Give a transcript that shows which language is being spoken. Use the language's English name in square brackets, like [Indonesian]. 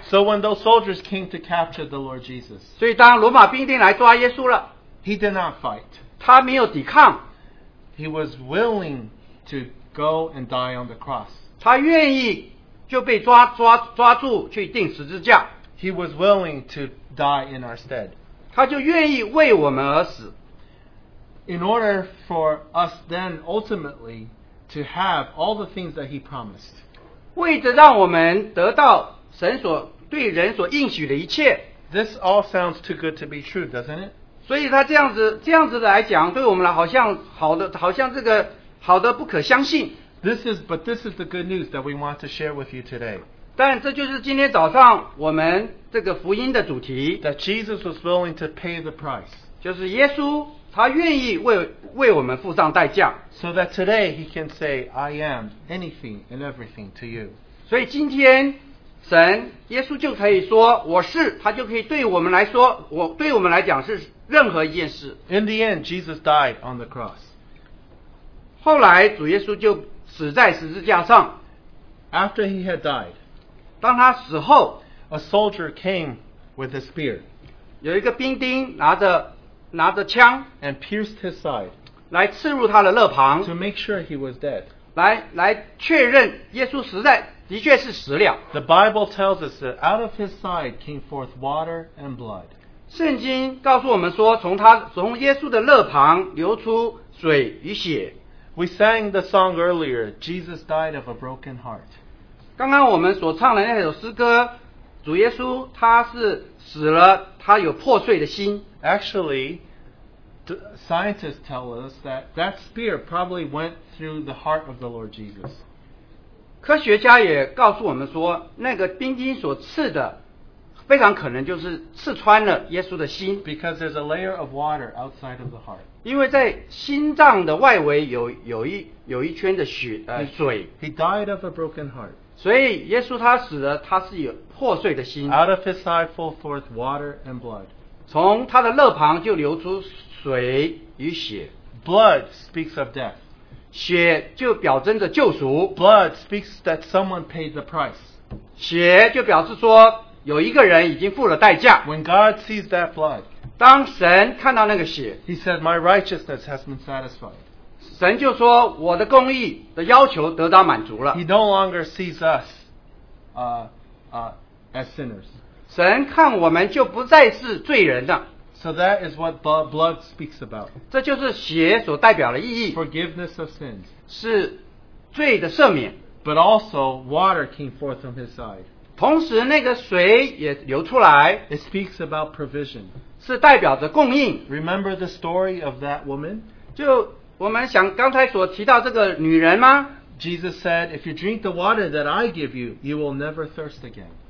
[English] So when those soldiers came to capture the Lord Jesus, [Chinese] 所以当罗马兵丁来抓耶稣了, [English] He did not fight. [Chinese] 他没有抵抗。 [English] He was willing to go and die on the cross. [Chinese] 他愿意就被抓住去钉十字架。 [English] He was willing to die in our stead. [Chinese] 他就愿意为我们而死。 [English] In order for us then ultimately to have all the things that He promised. [Chinese] 为着让我们得到神所对人所应许的一切。 [English] This all sounds too good to be true, doesn't it? [Chinese] 所以他这样子来讲对我们来好像这个好得不可相信。 [English] But this is the good news that we want to share with you today. [Chinese] 但这就是今天早上我们这个福音的主题, [English] that Jesus was willing to pay the price. [Chinese] 就是耶稣他愿意为我们付上代价。 [English] So that today He can say, I am anything and everything to you. [Chinese] 所以今天, 神耶稣就可以说我是他就可以对我们来说我对我们来讲是任何一件事 [English] In the end, Jesus died on the cross. [Chinese] 后来主耶稣就死在十字架上 [English] After he had died, [Chinese] 当他死后 [English] a soldier came with a spear. [Chinese] 有一个兵丁拿着枪 [English] and pierced his side. [Chinese] 来刺入他的肋旁 [English] to make sure he was dead. [Chinese] 来确认耶稣实在的确是死了 [English] The Bible tells us that out of his side came forth water and blood. [Chinese] 圣经告诉我们说从耶稣的肋旁流出水与血 [English] We sang the song earlier, Jesus died of a broken heart. [Chinese] 刚刚我们所唱的那首诗歌主耶稣他是死了他有破碎的心 [English] Actually, scientists tell us that that spear probably went through the heart of the Lord Jesus. [Chinese] 科学家也告诉我们说那个兵丁所刺的非常可能就是刺穿了耶稣的心 [English] because there's a layer of water outside of the heart [Chinese] 因为在心脏的外围 有一圈的血水 [English] he died of a broken heart [Chinese] 所以耶稣他死了他是有破碎的心 [English] out of his side fall forth water and blood [Chinese] 从他的肋旁就流出水与血 [English] blood speaks of death [Chinese] 血就表征着救赎 [English] Blood speaks that someone paid the price [Chinese] 血就表示说有一个人已经付了代价 [English] When God sees that blood [Chinese] 当神看到那个血 [English] He said my righteousness has been satisfied [Chinese] 神就说我的公义的要求得到满足了 [English] He no longer sees us as sinners [Chinese] 神看我们就不再是罪人了 [English] So that is what blood speaks about. [Chinese] 这就是血所代表的意义。 [English] Forgiveness of sins. [Chinese] 是罪的赦免。 [English] But also water came forth from his side. [Chinese] 同时那个水也流出来。 [English] It speaks about provision. [Chinese] 是代表着供应。 [English] Remember the story of that woman? [Chinese] 就我们想刚才所提到这个女人吗? [English] Jesus said, if you drink the water that I give you, you will never thirst again.